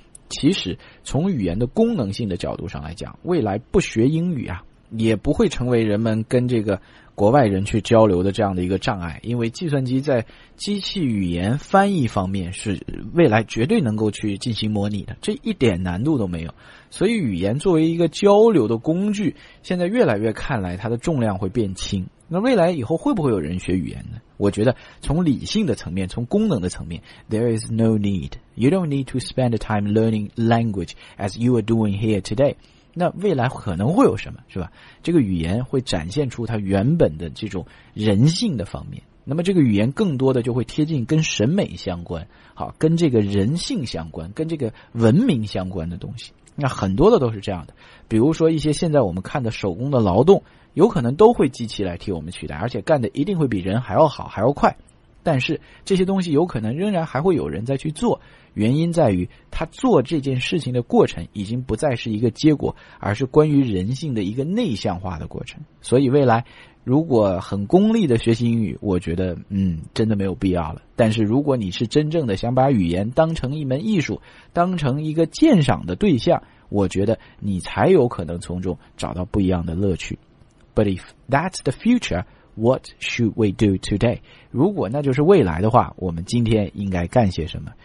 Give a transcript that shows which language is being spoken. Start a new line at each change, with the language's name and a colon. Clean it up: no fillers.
Chinese: 其实从语言的功能性的角度上来讲，未来不学英语啊也不会成为人们跟这个国外人去交流的这样的一个障碍，因为计算机在机器语言翻译方面是未来绝对能够去进行模拟的，这一点难度都没有。所以语言作为一个交流的工具，现在越来越看来它的重量会变轻。那未来以后会不会有人学语言呢？我觉得从理性的层面，从功能的层面，
English: There is no need. You don't need to spend time learning language as you are doing here today.
Chinese: 那未来可能会有什么，是吧？这个语言会展现出它原本的这种人性的方面，那么这个语言更多的就会贴近跟审美相关，好，跟这个人性相关，跟这个文明相关的东西。那很多的都是这样的，比如说一些现在我们看的手工的劳动，有可能都会机器来替我们取代，而且干的一定会比人还要好还要快，但是这些东西有可能仍然还会有人在去做，原因在于他做这件事情的过程已经不再是一个结果，而是关于人性的一个内向化的过程。所以未来如果很功利的学习英语，我觉得真的没有必要了。但是如果你是真正的想把语言当成一门艺术，当成一个鉴赏的对象，我觉得你才有可能从中找到不一样的乐趣。
English: But if that's the future, what should we do today?
Chinese: 如果那就是未来的话，我们今天应该干些什么？